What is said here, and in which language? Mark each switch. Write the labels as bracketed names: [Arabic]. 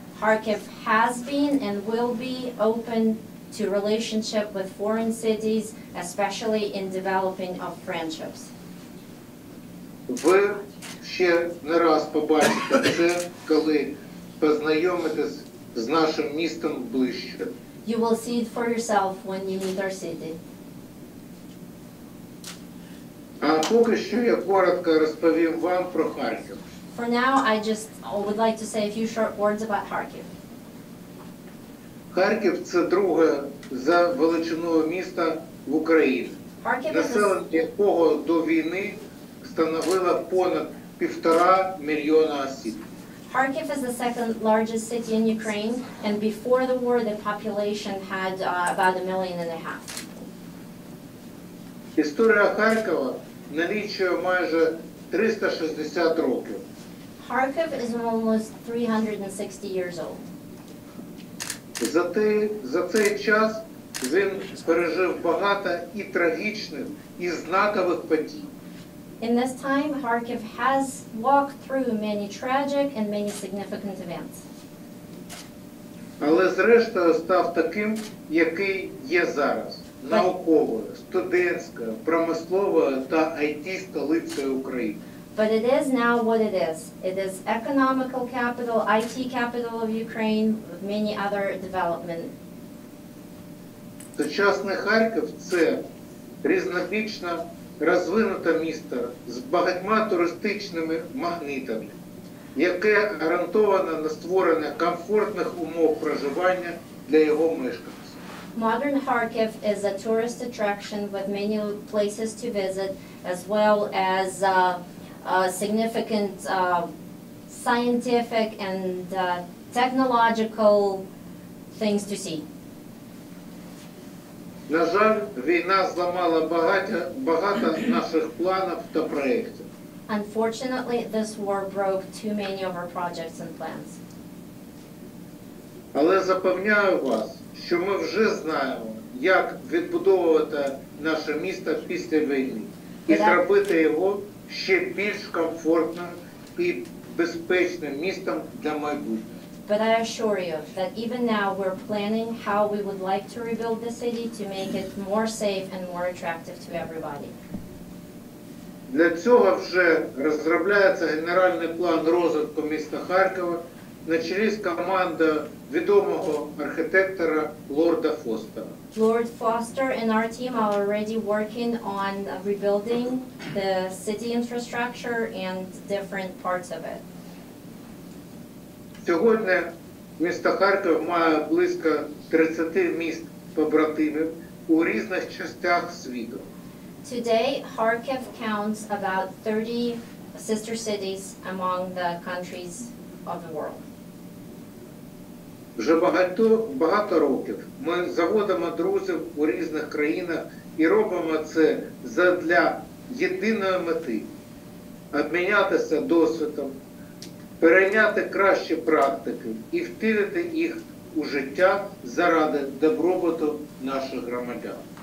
[English] Kharkiv has been and will be open to relationship with foreign cities, especially in developing of friendships. [Ukrainian] Ви ще не раз побачите це, коли познайомитесь з нашим містом ближче. [English] You will see it for yourself when you meet our city. [Ukrainian] А поки що я коротко розповім вам про Харків. [English] For now, I just would like to say a few short words about Kharkiv. [Ukrainian] Kharkiv – це друге за величиною місто в Україні. Населення якого до війни становило понад 1.5 мільйона осіб. [English] Kharkiv is the second largest city in Ukraine, and before the war, the population had about 1.5 million. [Ukrainian] Історія Харкова налічує майже 360 років. [English] Kharkiv is almost 360 years old. [Ukrainian] За цей час він пережив багато і трагічних, і знакових подій. [English] In this time, Kharkiv has walked through many tragic and many significant events. [Ukrainian] Але зрештою став таким, який є зараз. Науковою, студентською, промисловою та IT-столицею України. [English] But it is now what it is. It is economical capital, IT capital of Ukraine, with many other development. [Ukrainian] Сучасний Харків – це різнобічно розвинуте місто з багатьма туристичними магнітами, яке гарантовано на створення комфортних умов проживання для його мешканців. [English] Modern Kharkiv is a tourist attraction with many places to visit, as well as significant scientific and technological things to see. [Ukrainian] На жаль, війна зламала багато наших планів та проєктів. [English] Unfortunately, this war broke too many of our projects and plans. [Ukrainian] Але запевняю вас, що ми вже знаємо, як відбудовувати наше місто після війни і зробити його ще більш комфортним і безпечним містом для майбутнього. [English] But I assure you that even now we're planning how we would like to rebuild the city to make it more safe and more attractive to everybody. [Ukrainian] Для цього вже розробляється генеральний план розвитку міста Харкова на чолі з командою відомого архітектора Лорда Фостера. [English] Lord Foster and our team are already working on rebuilding the city infrastructure and different parts of it. [Ukrainian] Сьогодні місто Харків має близько 30 міст-побратимів у різних частинах світу. [English] Today, Kharkiv counts about 30 sister cities among the countries of the world. [Ukrainian] Вже багато років ми заводимо друзів у різних країнах і робимо це задля єдиної мети – обмінятися досвідом, перейняти кращі практики і втілити їх у життя заради добробуту наших громадян.